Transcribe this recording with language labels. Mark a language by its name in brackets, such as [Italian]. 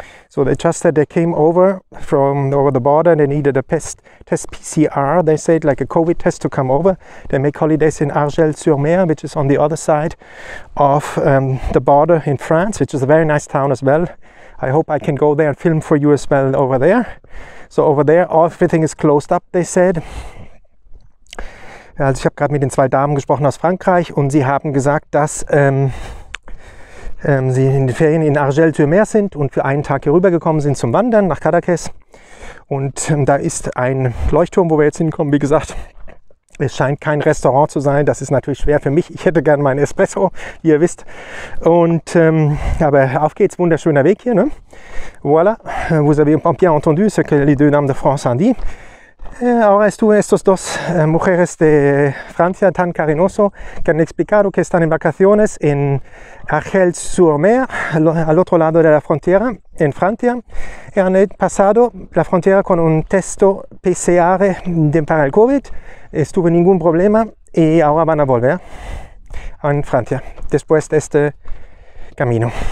[English] So they just said they came over the border and they needed a test PCR, they said, like a COVID test to come over. They make holidays in Argel-sur-Mer, which is on the other side of the border in France, which is a very nice town as well. I hope I can go there and film for you as well over there. So over there, everything is closed up, they said. [German] Also ich habe gerade mit den zwei Damen gesprochen aus Frankreich und sie haben gesagt, dass sie in den Ferien in Argel-sur-Mer sind und für einen Tag hier rübergekommen sind zum Wandern nach Cadaques. Und da ist ein Leuchtturm, wo wir jetzt hinkommen. Wie gesagt, es scheint kein Restaurant zu sein. Das ist natürlich schwer für mich. Ich hätte gerne meinen Espresso, wie ihr wisst. Und aber auf geht's, wunderschöner Weg hier. Ne? [French] Voilà, vous avez bien entendu ce que les deux dames de France ont dit. [Spanish] Ahora estos dos mujeres de Francia tan cariñoso que han explicado que están en vacaciones en Argel-sur-Mer, al otro lado de la frontera, en Francia, y han pasado la frontera con un testo PCR para el COVID, estuvo ningún problema y ahora van a volver en Francia después de este camino.